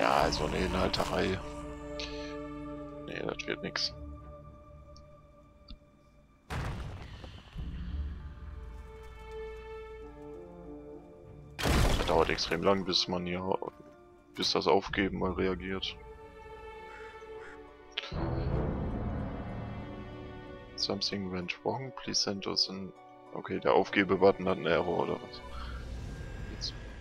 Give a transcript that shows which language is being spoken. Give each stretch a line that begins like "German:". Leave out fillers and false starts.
German: So eine Inhalterei. Nee, das wird nix. Das dauert extrem lang, bis man hier. Bis das Aufgeben mal reagiert.
English: Something went wrong, please send us an.
German: Okay, der Aufgebe-Button hat einen Error oder was? Jetzt.